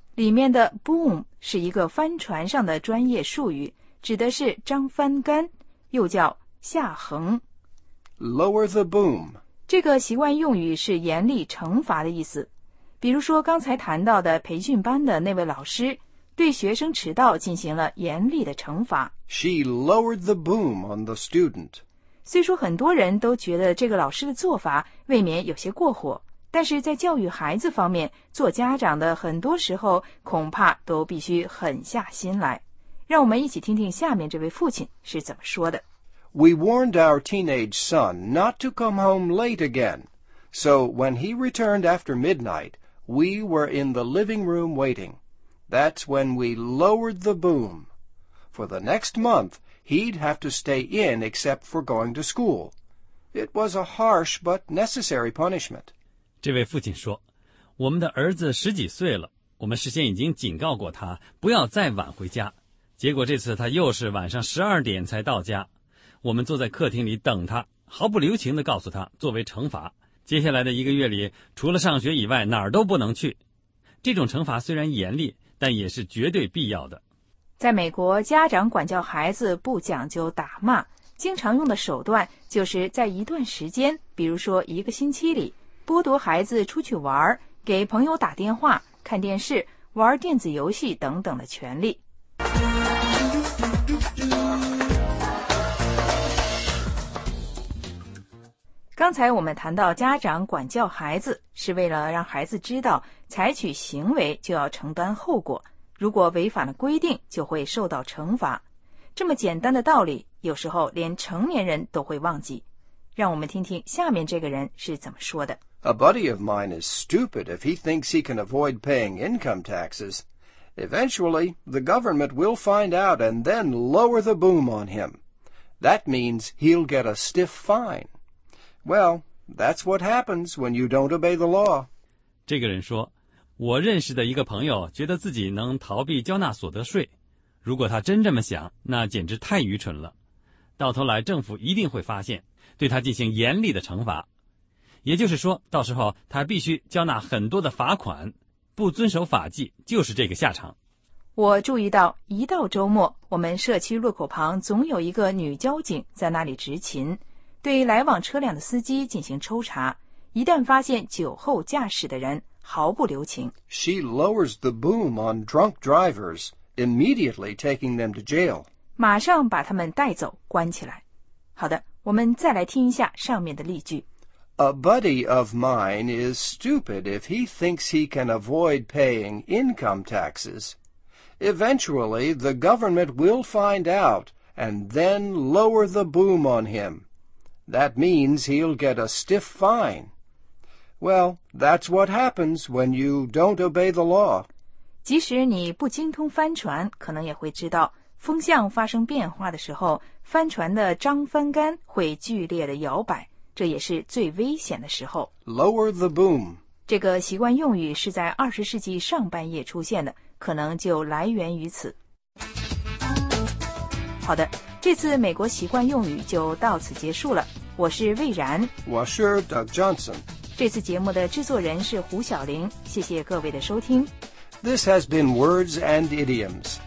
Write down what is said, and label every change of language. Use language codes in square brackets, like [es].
[zh] 里面的 boom 是一个帆船上的专业术语，指的是张帆杆，又叫下横。 [en] lower the boom [zh] 这个习惯用语是严厉惩罚的意思。比如说刚才谈到的培训班的那位老师，对学生迟到进行了严厉的惩罚。 [en] She lowered the boom on the student。 [zh] 虽说很多人都觉得这个老师的做法未免有些过火，但是在教育孩子方面，做家长的很多时候恐怕都必须狠下心来。让我们一起听听下面这位父亲是怎么说的。 [en] We warned our teenage son not to come home late again. So when he returned after midnight, we were in the living room waiting. That's when we lowered the boom. For the next month, he'd have to stay in except for going to school. It was a harsh but necessary punishment. [zh] 这位父亲说，我们的儿子十几岁了，我们事先已经警告过他不要再晚回家，结果这次他又是晚上12点才到家。我们坐在客厅里等他，毫不留情地告诉他，作为惩罚，接下来的一个月里除了上学以外哪儿都不能去。这种惩罚虽然严厉，但也是绝对必要的。在美国，家长管教孩子不讲究打骂，经常用的手段就是在一段时间，比如说一个星期里，剥夺孩子出去玩、给朋友打电话、看电视、玩电子游戏等等的权利。刚才我们谈到家长管教孩子是为了让孩子知道采取行为就要承担后果，如果违反了规定就会受到惩罚。这么简单的道理有时候连成年人都会忘记。让我们听听下面这个人是怎么说的。 [en] A buddy of mine is stupid if he thinks he can avoid paying income taxes. Eventually, the government will find out and then lower the boom on him. That means he'll get a stiff fine. Well, that's what happens when you don't obey the law. [zh] 这个人说，我认识的一个朋友觉得自己能逃避交纳所得税。如果他真这么想，那简直太愚蠢了。到头来政府一定会发现，对他进行严厉的惩罚。也就是说，到时候他必须交纳很多的罚款，不遵守法纪就是这个下场。我注意到，一到周末，我们社区路口旁总有一个女交警在那里执勤，对来往车辆的司机进行抽查，一旦发现酒后驾驶的人，毫不留情。 [en] She lowers the boom on drunk drivers, immediately taking them to jail. [zh] 马上把他们带走，关起来。好的，我们再来听一下上面的例句。 [en] A buddy of mine is stupid if he thinks he can avoid paying income taxes. Eventually, the government will find out and then lower the boom on him. That means he'll get a stiff fine. Well, that's what happens when you don't obey the law. [zh] 即使你不精通帆船，可能也会知道，风向发生变化的时候，帆船的张帆杆会剧烈的摇摆。这也是最危险的时候。 [en] Lower the boom. [zh] 这个习惯用语是在20世纪上半叶出现的，可能就来源于此。好的，这次美国习惯用语就到此结束了。我是魏然。我是 Doug Johnson。这次节目的制作人是胡晓玲，谢谢各位的收听。 [en] This has been Words and Idioms.